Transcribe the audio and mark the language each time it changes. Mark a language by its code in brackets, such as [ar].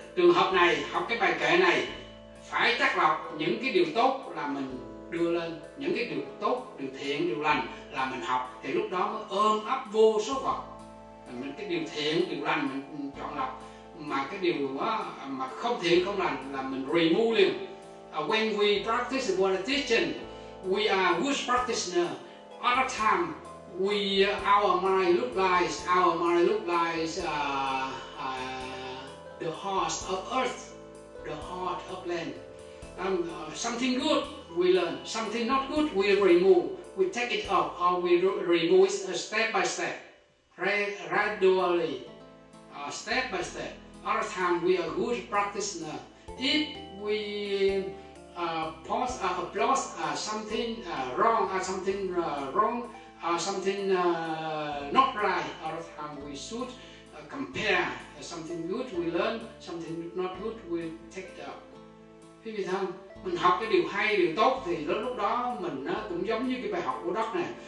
[vi] Trường hợp này, học cái bài kệ này phải chắc lọc những cái điều tốt là mình đưa lên, những cái điều tốt, điều thiện, điều lành là mình học, thì lúc đó mới ôm ấp vô số Phật. Mình cái điều thiện, điều lành mình chọn lọc, mà cái điều đó, mà không thiện, không lành là mình remove liền. [en] When we practice the meditation, we are good practitioner. Other time, we our mind look like the heart of earth, the heart of land. Something good we learn, something not good we remove, we take it off or we remove it step by step, gradually, step by step. Other time we are good practitioner. If we post or applaud something wrong or something not right, other time we should compare something good we learn, something not good we take it off. [vi] Quý vị thân, mình học cái điều hay, điều tốt thì lúc đó mình cũng giống như cái bài học của đất này.